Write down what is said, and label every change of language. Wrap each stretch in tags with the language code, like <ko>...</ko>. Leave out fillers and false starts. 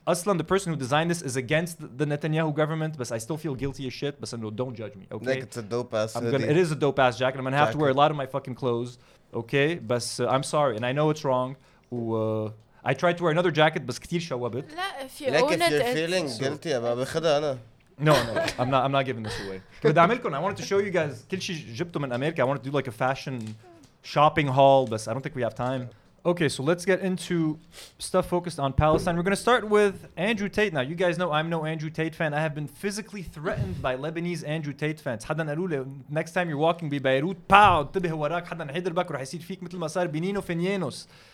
<en>Aslan, the person who designed this, is against the Netanyahu government, but I still feel guilty as shit. But no, don't judge me, okay? Like, it's a dope-ass hoodie. It is a dope-ass jacket. I'm going to have to wear a lot of my fucking clothes, okay? But I'm sorry, and I know it's wrong. I tried to wear another jacket, but</en> <ar>كتير شوابت.</ar> <en>لا, if you own it, you're feeling guilty, I'm going to take it. No, I'm not giving this away. I wanted to show you guys</en> <ar>كل شيء جبته من أمريكا.</ar> <en>I wanted to do like a fashion shopping haul, but I don't think we have time. Okay, so let's get into stuff focused on Palestine. We're going to start with Andrew Tate. Now, you guys know I'm no Andrew Tate fan. I have been physically threatened by Lebanese Andrew Tate fans.</en> <ar>حدا قالوا لي,</ar> <en>next time you're walking by Beirut,</en> <ar>pow, انتبه وراك, حدا حيضربك ورح يصير فيك مثل ما صار بنينو فينيانوس.</ar>